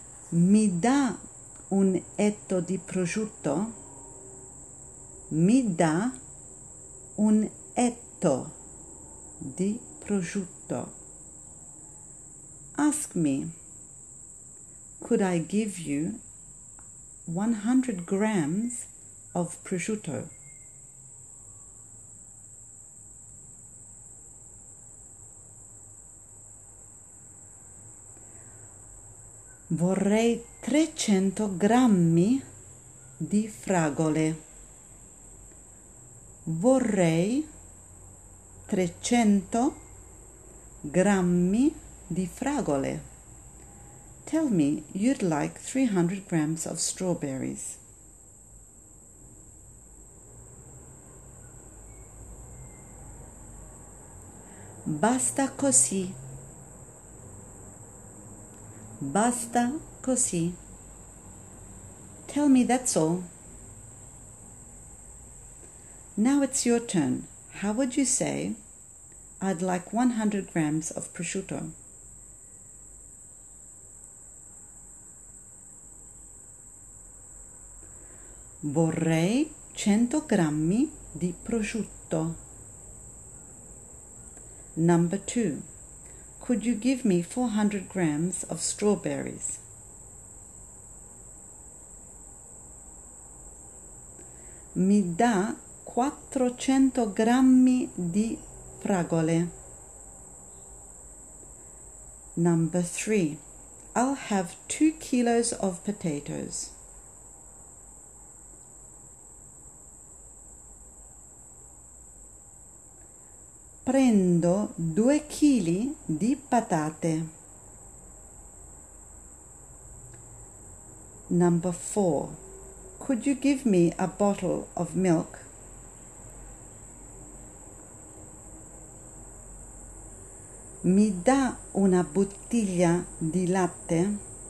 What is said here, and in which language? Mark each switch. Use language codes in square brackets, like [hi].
[it] Mi da un etto di prosciutto? Mi da un etto di prosciutto. [en] Ask me, could I give you 100 grams of prosciutto? [it] Vorrei 300 grammi di fragole. Vorrei 300 grammi di fragole. [en] Tell me you'd like 300 grams of strawberries. [it] Basta così. Basta così. [en] Tell me that's all. Now it's your turn. How would you say, I'd like 100 grams of prosciutto? [it] Vorrei 100 grammi di prosciutto. [en] Number 2. Could you give me 400 grams of strawberries? [it] Mi dà 400 grammi di fragole. [en] Number 3. I'll have 2 kilos of potatoes. [it] Prendo 2 chili di patate. [en] Number 4. Could you give me a bottle of milk? [it] Mi dà una bottiglia di latte?